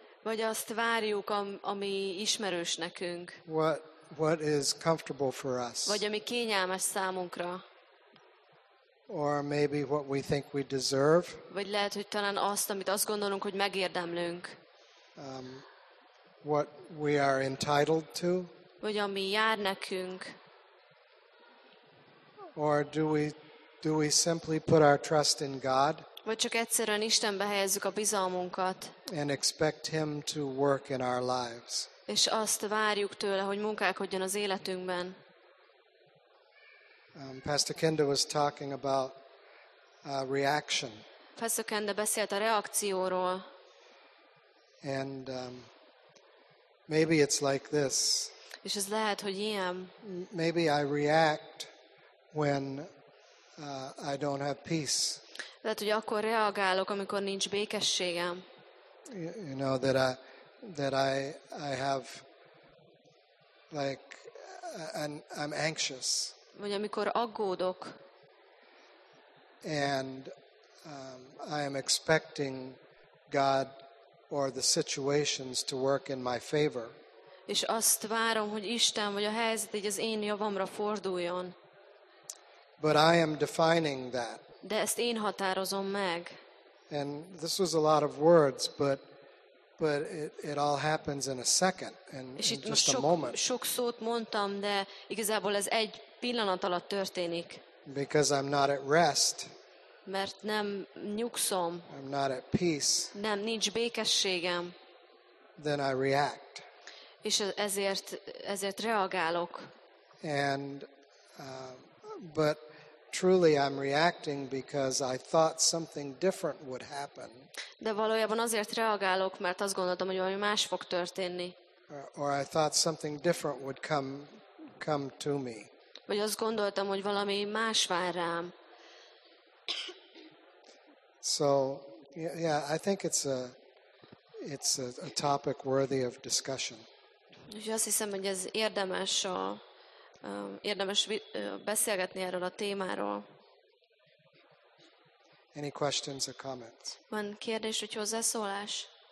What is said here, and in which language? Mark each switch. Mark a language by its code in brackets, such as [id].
[hu] Vagy azt várjuk, ami ismerős nekünk. [en] What is comfortable for us? [hu] Vagy ami kényelmes számunkra. [en] Or maybe what we think we deserve? [hu] Vagy lehet, hogy talán azt, amit azt gondolunk, hogy megérdemlünk. [en] What we are entitled to? [hu] Vagy ami jár nekünk. [en] Or do we simply put our trust in God? [hu] Vagy csak egyszerűen Istenbe helyezzük a bizalmunkat. [en] And expect him to work in our lives. [hu] És azt várjuk tőle, hogy munkálkodjon az életünkben. [en] Pastor Kenda was talking about reaction. [hu] Pastor Kenda beszélt a reakcióról. [en] And maybe it's like this. [hu] És ez lehet, hogy ilyen. [en] Maybe I react when I don't have peace. [hu] Lehet, hogy akkor reagálok, amikor nincs békességem. [en] You know that I have like and I'm anxious. [hu] Vagy amikor aggódok. [en] And I am expecting God or the situations to work in my favor. [hu] És azt várom, hogy Isten vagy a helyzet így az én javamra forduljon. [en] But I am defining that. [hu] De ezt én határozom meg. [en] And this was a lot of words, but it all happens in a second, in just a moment. [hu] Sok szót mondtam, de igazából ez egy pillanat alatt történik. [en] Because I'm not at rest. [hu] mert nem nyugszom. [en] I'm not at peace. [hu] Nem, nincs békességem. [en] Then I react. [hu] És ezért reagálok. [en] And but truly I'm reacting because I thought something different would happen. [hu] De valójában azért reagálok, mert azt gondoltam, hogy valami más fog történni. [en] Or I thought something different would come to me. [hu] Vagy azt gondoltam, hogy valami más vár rám. [en] So yeah, I think it's a topic worthy of discussion. [hu] Úgy azt hiszem, hogy ez érdemes beszélgetni erről a témáról. [en] Any questions or comments? [hu] Van kérdés, vagy hozzászólás?